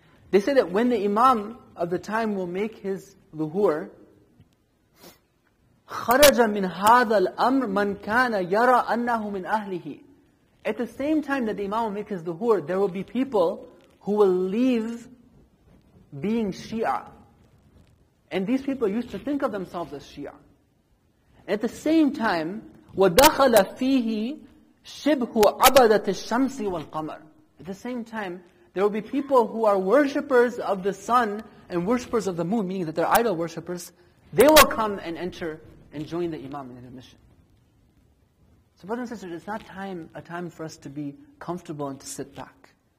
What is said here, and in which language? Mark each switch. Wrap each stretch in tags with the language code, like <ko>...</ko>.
<en>They say that when the imam of the time will make his dhuhr,</en> <ar>خَرَجَ مِنْ هَذَا الْأَمْرِ مَنْ كَانَ يَرَى أَنَّهُ مِنْ أَهْلِهِ.</ar> <en>At the same time that the imam will make his dhuhr, there will be people who will leave being Shia. And these people used to think of themselves as Shia. At the same time,</en> <ar>وَدَخَلَ فِيهِ شِبْهُ عَبَدَةِ الشَّمْسِ وَالْقَمَرِ.</ar> <en>At the same time, there will be people who are worshippers of the sun and worshippers of the moon, meaning that they're idol worshippers. They will come and enter and join the imam in the mission. So brothers and sisters, it's not a time for us to be comfortable and to sit back.</en>